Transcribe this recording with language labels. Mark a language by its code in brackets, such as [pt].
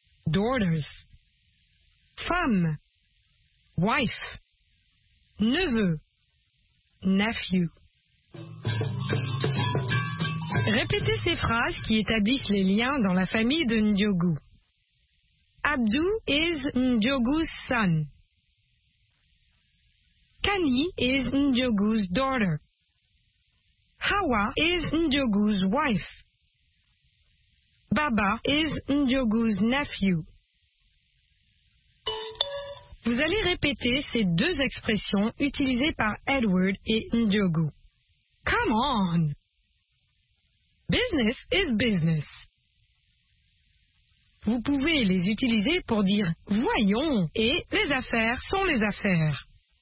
[en] daughters, femme, wife, neveu, nephew. [fr] Répétez ces phrases qui établissent les liens dans la famille de Ndiogou. [en] Abdou is Ndiogou's son. Kani is Ndiogou's daughter. Hawa is Ndiogou's wife. Baba is Ndiogou's nephew. [fr] Vous allez répéter ces deux expressions utilisées par Edward et Ndiogou. [en] Come on! Business is business. [fr] Vous pouvez les utiliser pour dire « voyons » et « les affaires sont les affaires ».